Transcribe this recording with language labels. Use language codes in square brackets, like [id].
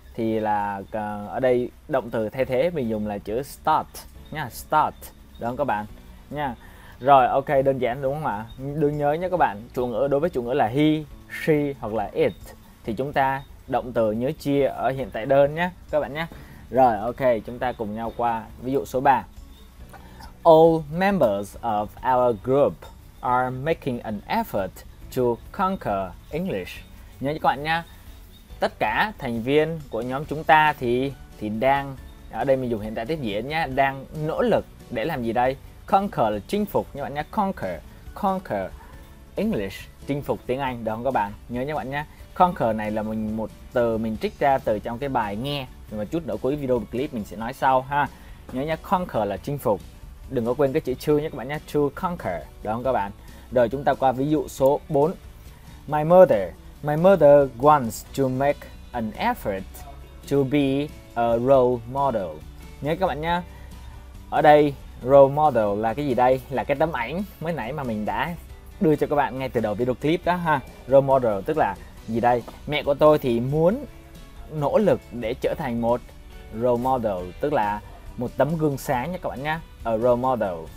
[vi] Thì là ở đây động từ thay thế mình dùng là chữ start nha, start, đúng không các bạn nha. Rồi ok, đơn giản đúng không ạ? Đừng nhớ nhé các bạn, chủ ngữ đối với chủ ngữ là he, she hoặc là it thì chúng ta động từ nhớ chia ở hiện tại đơn nhé các bạn nhé. Rồi ok, chúng ta cùng nhau qua ví dụ số 3. [en] All members of our group are making an effort to conquer English. [vi] Nhớ các bạn nhé, tất cả thành viên của nhóm chúng ta thì đang, ở đây mình dùng hiện tại tiếp diễn nhé, đang nỗ lực để làm gì đây? Conquer là chinh phục nhé bạn nhé, [en] conquer English, [vi] chinh phục tiếng Anh, đúng không các bạn? Nhớ nhé bạn nhé, conquer này là một từ mình trích ra từ trong cái bài nghe, nhưng mà chút nữa cuối video clip mình sẽ nói sau ha. Nhớ nhé, conquer là chinh phục, đừng có quên cái chữ to nhé các bạn nhé, [en] to conquer, [vi] đúng không các bạn? Rồi chúng ta qua ví dụ số 4. [en] My mother wants to make an effort to be a role model. [vi] Nhớ các bạn nhé, ở đây role model là cái gì đây? Là cái tấm ảnh mới nãy mà mình đã đưa cho các bạn ngay từ đầu video clip đó ha. Role model tức là gì đây? Mẹ của tôi thì muốn nỗ lực để trở thành một role model, tức là một tấm gương sáng nhé các bạn nhé. [en] A role model.